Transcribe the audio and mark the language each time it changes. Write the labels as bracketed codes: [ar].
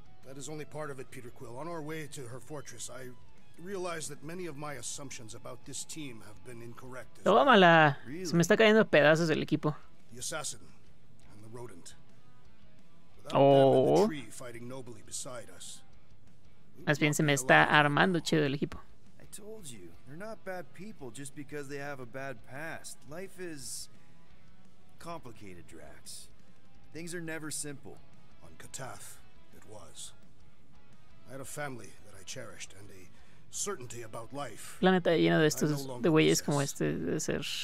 [en] That is only part of it, Peter Quill. On our way to her fortress, I realized that many of my assumptions about this team have been incorrect. [es] ¡Tómala! Really? Se me está cayendo pedazos el equipo. [en] The assassin and the rodent. Oh. Them and the tree fighting nobly beside us. [es] Más bien se me está armando chido el equipo. [en] I told you. They're not bad people just because they have a bad past. Life is complicated, Drax. Things are never simple. On Kataf, it was. I had a family that I cherished and a certainty about life. [es] Planeta lleno de estos de güeyes como este de ser.